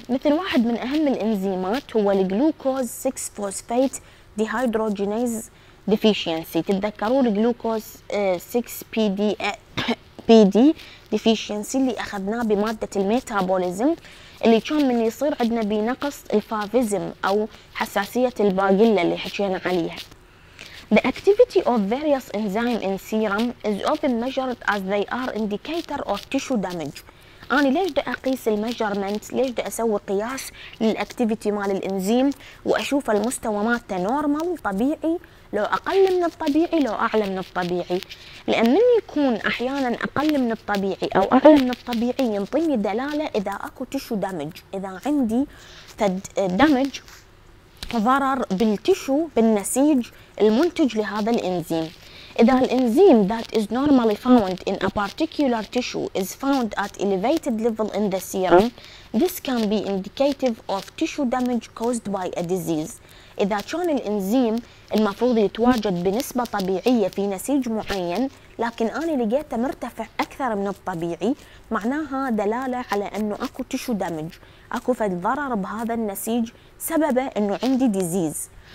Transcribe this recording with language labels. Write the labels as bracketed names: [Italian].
[Arabic] مثل واحد من أهم الإنزيمات هو الجلوكوز 6 phosphate dehydrogenase deficiency. تتذكرون الجلوكوز 6 PD deficiency اللي أخذناه بمادة الميتابوليزم، اللي كان من يصير عندنا بنقص الفافيزم أو حساسية الباقلة اللي حكينا عليها. [English] The activity of various enzymes in serum is often measured as they are indicator of tissue damage. [Arabic] أنا ليش دا أقيس الميجرمنت، ليش دا أسوي قياس للأكتيفيتي مال الإنزيم وأشوف المستوى مالته نورمال طبيعي، لو أقل من الطبيعي لو أعلى من الطبيعي. لأن من يكون أحيانا أقل من الطبيعي أو أعلى من الطبيعي ينطيني دلالة إذا أكو تشو دامج، إذا عندي دامج ضرر بالتشو بالنسيج المنتج لهذا الإنزيم. إذا الإنزيم [English] that is normally found in a particular tissue is found at elevated level in the serum, this can be indicative of tissue damage caused by a disease. [Arabic] إذا كان الإنزيم المفروض يتواجد بنسبة طبيعية في نسيج معين لكن أنا لقيته مرتفع أكثر من الطبيعي، معناها دلالة على أنه أكو تشو دامج، أكو فد ضرر بهذا النسيج سببه أنه عندي ديزيز.